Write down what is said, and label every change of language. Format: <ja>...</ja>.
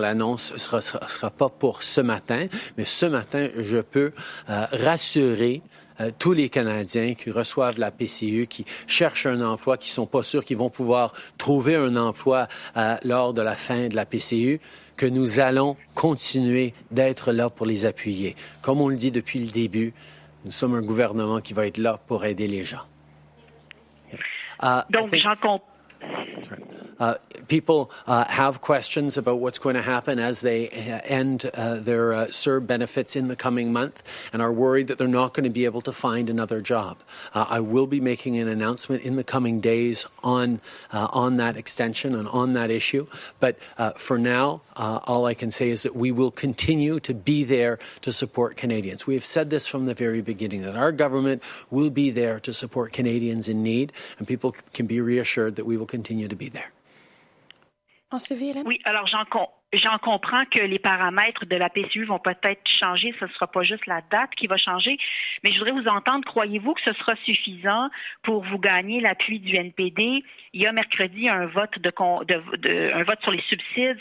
<fr>L'annonce ne sera pas pour ce matin, mais ce matin, je peux rassurer tous les Canadiens qui reçoivent la PCU, qui cherchent un emploi, qui ne sont pas sûrs qu'ils vont pouvoir trouver un emploi lors de la fin de la PCU, que nous allons continuer d'être là pour les appuyer. Comme on le dit depuis le début, nous sommes un gouvernement qui va être là pour aider les gens.</fr> <en>People have questions about what's going to happen as they end their CERB benefits in the coming month and are worried that they're not going to be able to find another job. I will be making an announcement in the coming days on that extension and on that issue. But for now, all I can say is that we will continue to be there to support Canadians. We have said this from the very beginning, that our government will be there to support Canadians in need, and people can be reassured that we will continue to be there.</en> <fr>Ensuite, Hélène. Oui, alors J'en comprends que les paramètres de la PCU vont peut-être changer. Ce ne sera pas juste la date qui va changer. Mais je voudrais vous entendre. Croyez-vous que ce sera suffisant pour vous gagner l'appui du NPD? Il y a mercredi un vote un vote sur les subsides.</fr>